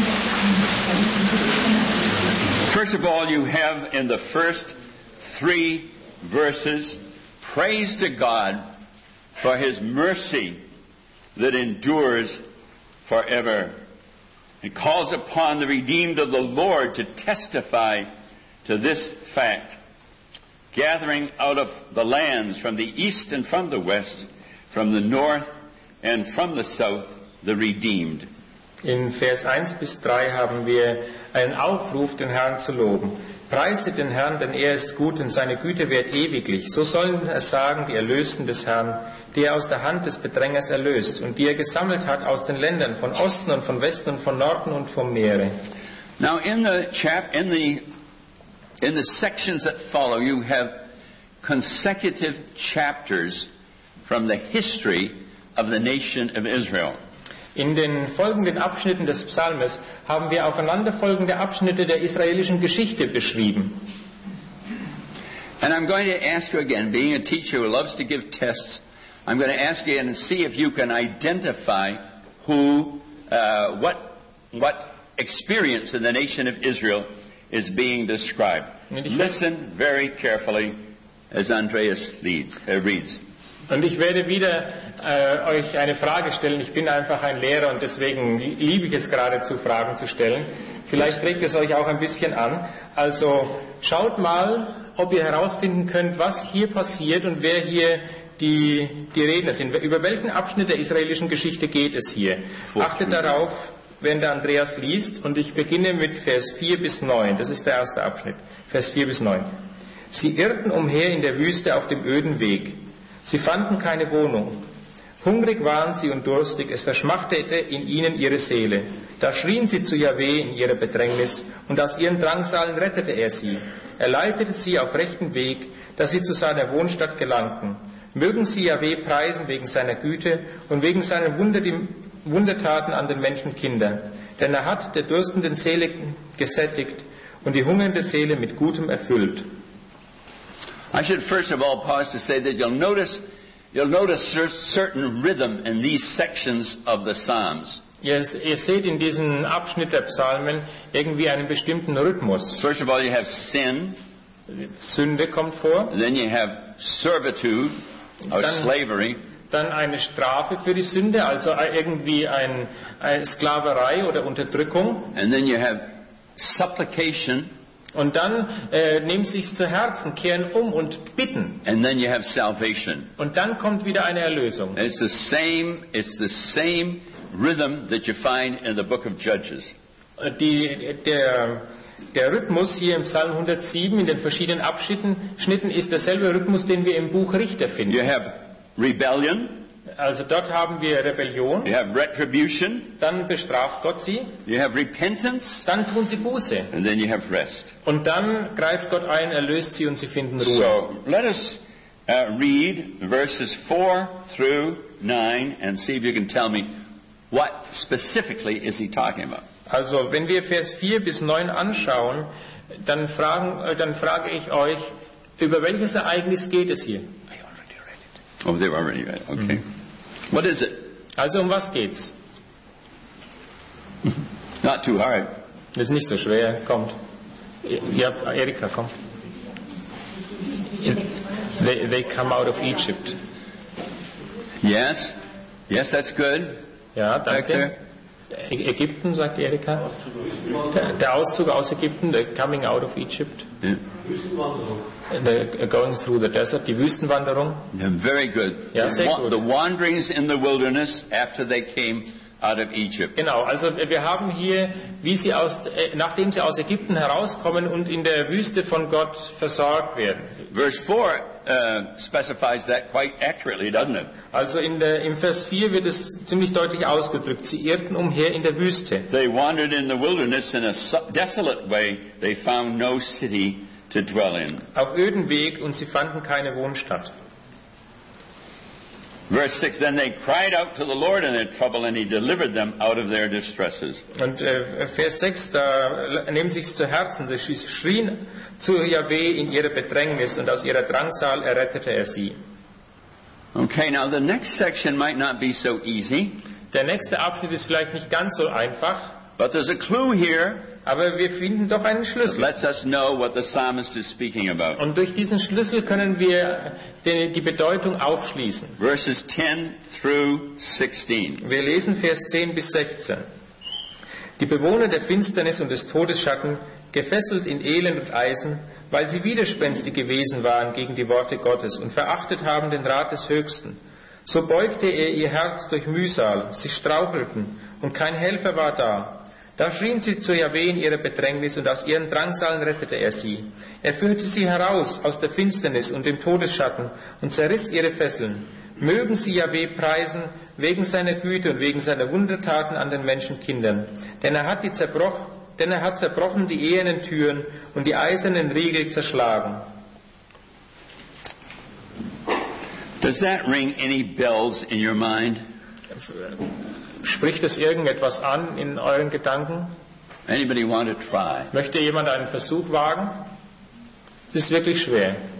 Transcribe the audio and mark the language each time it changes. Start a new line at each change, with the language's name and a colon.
English: First of all, you have in the first three verses praise to God for his mercy that endures forever. It calls upon the redeemed of the Lord to testify to this fact, gathering out of the lands from the east and from the west, from the north and from the south, the redeemed.
German: In Vers 1 bis 3 haben wir einen Aufruf, den Herrn zu loben. Preiset den Herrn, denn er ist gut und seine Güte währt ewiglich. So sollen es sagen die Erlösten des Herrn, die er aus der Hand des Bedrängers erlöst und die er gesammelt hat aus den Ländern, von Osten und von Westen und von Norden und vom Meere.
English: Now in the sections that follow, you have consecutive chapters from the history of the nation of Israel.
German: In den folgenden Abschnitten des Psalmes haben wir aufeinanderfolgende Abschnitte der israelischen Geschichte beschrieben.
English: And I'm going to ask you again, being a teacher who loves to give tests, I'm going to ask you again and see if you can identify who, what experience in the nation of Israel is being described. Listen very carefully as Andreas reads.
German: Und ich werde wieder euch eine Frage stellen. Ich bin einfach ein Lehrer und deswegen liebe ich es geradezu, Fragen zu stellen. Vielleicht regt es euch auch ein bisschen an. Also schaut mal, ob ihr herausfinden könnt, was hier passiert und wer hier die Redner sind. Über welchen Abschnitt der israelischen Geschichte geht es hier? Achtet darauf, wenn der Andreas liest. Und ich beginne mit Vers 4 bis 9. Das ist der erste Abschnitt. Vers 4 bis 9. Sie irrten umher in der Wüste auf dem öden Weg. Sie fanden keine Wohnung. Hungrig waren sie und durstig, es verschmachtete in ihnen ihre Seele. Da schrien sie zu Yahweh in ihrer Bedrängnis, und aus ihren Drangsalen rettete er sie. Er leitete sie auf rechten Weg, dass sie zu seiner Wohnstadt gelangten. Mögen sie Yahweh preisen wegen seiner Güte und wegen seiner Wundertaten an den Menschenkinder. Denn er hat der durstenden Seele gesättigt und die hungernde Seele mit Gutem erfüllt.
English: I should first of all pause to say that you'll notice certain rhythm in these sections of the Psalms.
German: Yes, ihr seht in diesem Abschnitt der Psalmen irgendwie einen bestimmten Rhythmus.
English: First of all, you have sin.
German: Sünde kommt vor.
English: Then you have servitude or slavery.
German: Dann eine Strafe für die Sünde, also irgendwie eine Sklaverei oder Unterdrückung.
English: And then you have supplication.
German: Und dann nehmen sie es zu Herzen, kehren um und bitten.
English: And then you have salvation.
German: Und dann kommt wieder eine Erlösung.
English: It's the same rhythm that you find in the book of Judges.
German: Der Rhythmus hier im Psalm 107 in den verschiedenen Abschnitten ist derselbe Rhythmus, den wir im Buch Richter finden.
English: You have rebellion.
German: Also dort haben wir Rebellion.
English: You have retribution.
German: Dann bestraft Gott sie.
English: You have repentance.
German: Dann tun sie Buße.
English: And then you have rest.
German: Und dann greift Gott ein, erlöst sie und sie finden Ruhe.
English: So, let us read verses 4 through 9 and see if you can tell me what specifically is he talking about.
German: Also, wenn wir Vers 4 bis 9 anschauen, dann frage ich euch, über welches Ereignis geht es hier?
English: Oh, they've already read. Okay. What is it?
German: Also, um was geht's?
English: Not too hard.
German: Ist nicht so schwer. Kommt. Ja, Erika, komm.
English: They come out of Egypt. Yes. Yes, that's good.
German: Ja, danke. Ägypten, sagt Erika. Der Auszug aus Ägypten,
English: the coming out of Egypt.
German: Wüstenwanderung.
English: Going through the desert,
German: die Wüstenwanderung.
English: Yeah, very good.
German: Ja, sehr gut.
English: The wanderings in the wilderness after they came out of Egypt.
German: Genau, also wir haben hier, wie sie nachdem sie aus Ägypten herauskommen und in der Wüste von Gott versorgt werden.
English: Verse 4 specifies that quite accurately, doesn't it?
German: Also im Vers 4 wird es ziemlich deutlich ausgedrückt. Sie irrten umher in der Wüste.
English: They wandered in the wilderness in a desolate way. They found no city to dwell in.
German: Auf öden Weg und sie fanden keine Wohnstadt.
English: Verse 6, then they cried out to the Lord in their trouble and he delivered them out of their distresses.
German: Und Vers 6, da nehmen sie es zu Herzen. Sie schrien zu Yahweh in ihrer Bedrängnis und aus ihrer Drangsal errettete er sie.
English: Okay, now the next section might not be so easy.
German: Der nächste Abschnitt ist vielleicht nicht ganz so einfach.
English: But there's a clue here.
German: Aber wir finden doch einen Schlüssel.
English: Lets us know what the psalmist is speaking about.
German: Und durch diesen Schlüssel können wir die Bedeutung aufschließen.
English: Verses 10 through 16.
German: Wir lesen Vers 10 bis 16. Die Bewohner der Finsternis und des Todesschatten, gefesselt in Elend und Eisen, weil sie widerspenstig gewesen waren gegen die Worte Gottes und verachtet haben den Rat des Höchsten. So beugte er ihr Herz durch Mühsal, sie strauchelten und kein Helfer war da. Da schrien sie zu Yahweh in ihrer Bedrängnis und aus ihren Drangsalen rettete er sie. Er führte sie heraus aus der Finsternis und dem Todesschatten und zerriss ihre Fesseln. Mögen sie Yahweh preisen wegen seiner Güte und wegen seiner Wundertaten an den Menschenkindern. Denn er hat zerbrochen die ehernen Türen und die eisernen Riegel zerschlagen.
English: Does that ring any bells in your mind?
German: Spricht es irgendetwas an in euren Gedanken?
English: Anybody want to try?
German: Möchte jemand einen Versuch wagen? Das ist wirklich schwer.